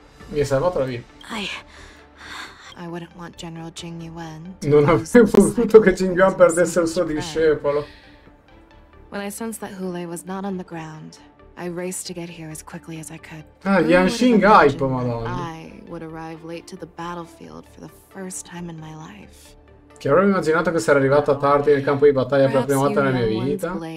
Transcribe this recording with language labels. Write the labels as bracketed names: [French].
[Italian] Mi hai salvato la vita. [English] I wouldn't want General Jing Yuan. [Italian] Non avrei voluto che Jing Yuan perdesse il suo discepolo. [English] When I sensed that Hu Lei was not on the ground, I raced to get here as quickly as I could. [Italian] Ah, Yanxing hype, madonna. [English] I would arrive late to the battlefield for the first time in my life. [Italian] Che avrei immaginato che sarei arrivata tardi nel campo di battaglia per la prima volta nella mia vita.